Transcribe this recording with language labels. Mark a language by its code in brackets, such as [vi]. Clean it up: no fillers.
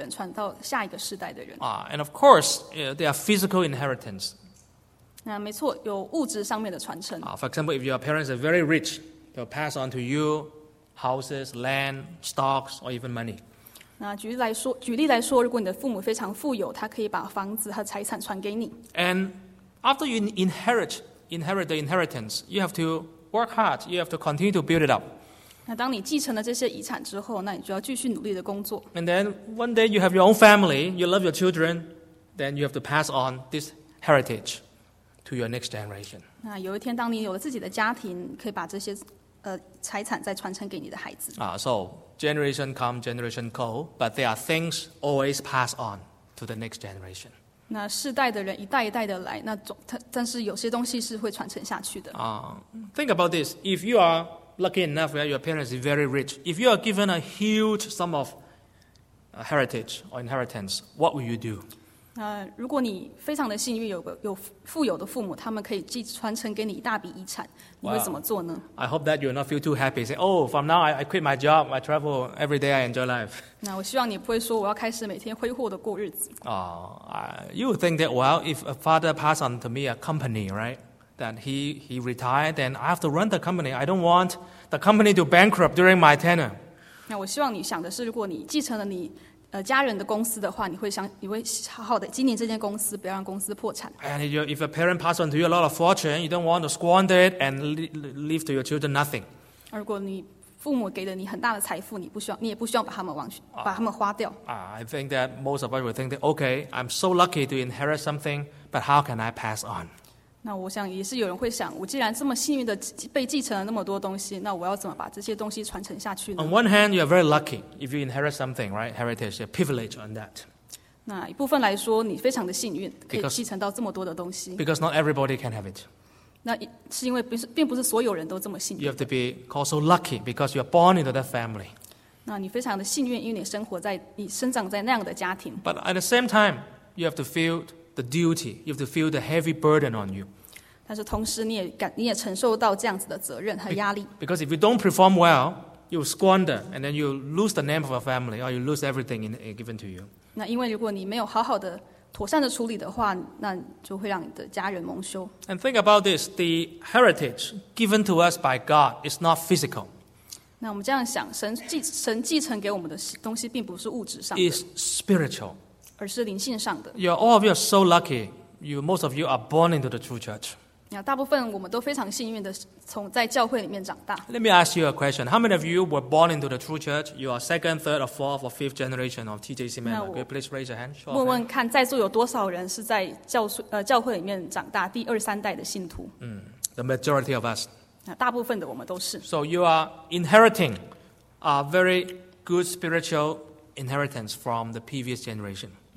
[zh] 传承就是从上一世代的人传到下一个世代的人。 [en] And of course, there are physical inheritance. [zh] 那没错, 有物质上面的传承。 [en] For example, if your parents are very rich, they'll pass on to you houses, land, stocks, or even money. [zh] 举例来说, 如果你的父母非常富有, 他可以把房子和财产传给你。 [en] And after you inherit the inheritance, you have to work hard, you have to continue to build it up. [zh] 那当你继承了这些遗产之后, [en] and then one day you have your own family, you love your children, then you have to pass on this heritage to your next generation. [zh] 那有一天当你有了自己的家庭, 可以把这些, 财产再传承给你的孩子。 [en] So, generation come, generation go, but there are things always passed on to the next generation. [zh] 那世代的人一代一代的来, 那总, 但是有些东西是会传承下去的。 [en] Think about this. If you are lucky enough, right, your parents are very rich, if you are given a huge sum of heritage or inheritance, what will you do? [zh] 如果你非常的幸运, 有富有的父母, 他们可以传承给你一大笔遗产, 你会怎么做呢? [en] Wow. I hope that you will not feel too happy. Say, oh, from now I quit my job, I travel every day, I enjoy life. [zh] 那我希望你不会说, 我要开始每天挥霍的过日子。 [en] You would think that, well, if a father passed on to me a company, right, that he retired, then I have to run the company. I don't want the company to bankrupt during my tenure. [zh] 那我希望你想的是, 如果你继承了你, 家人的公司的话, 你会好好的经营这间公司, 不要让公司破产。 [en] And if a parent passed on to you a lot of fortune, you don't want to squander it and leave to your children nothing. [zh] 如果你父母给了你很大的财富, 你不需要, 你也不需要把他们忘去, 把他们花掉。 [en] I think that most of us would think that, okay, I'm so lucky to inherit something, but how can I pass on? [zh] 那我想也是有人会想, 我既然这么幸运的被继承了那么多东西, 那我要怎么把这些东西传承下去呢? [en] On one hand, you are very lucky if you inherit something, right? Heritage, you have privilege on that. [zh] 那一部分来说, 你非常的幸运, 可以继承到这么多的东西。 [en] Because not everybody can have it. [zh] 那是因为不是, 并不是所有人都这么幸运。 [en] You have to be called so lucky because you are born into that family. [zh] 那你非常的幸运, 因为你生活在, 你生长在那样的家庭。 [en] But at the same time, you have to feel the duty, you have to feel the heavy burden on you. [zh] 但是同时你也承受到这样子的责任和压力。 [en] Because if you don't perform well, you squander, and then you lose the name of a family, or you lose everything given to you. [zh] 那因为如果你没有好好的妥善的处理的话, 那就会让你的家人蒙羞。 [en] And think about this, the heritage given to us by God is not physical. [zh] 那我们这样想, 神继承给我们的东西并不是物质上的。 [en] It's spiritual. [zh] 而是灵性上的。 [en] All of you are so lucky. Most of you are born into the true church. [zh] 大部分我们都非常幸运的, 从在教会里面长大。 [en] Let me ask you a question. How many of you were born into the true church? You are second, third, or fourth, or fifth generation of TJC member. Could you please raise your hand? Sure. [zh] 问问看在座有多少人是在教会里面长大, 第二三代的信徒。 [en] The majority of us. [zh] 大部分的我们都是。 [en] So you are inheriting a very good spiritual inheritance from the previous generation.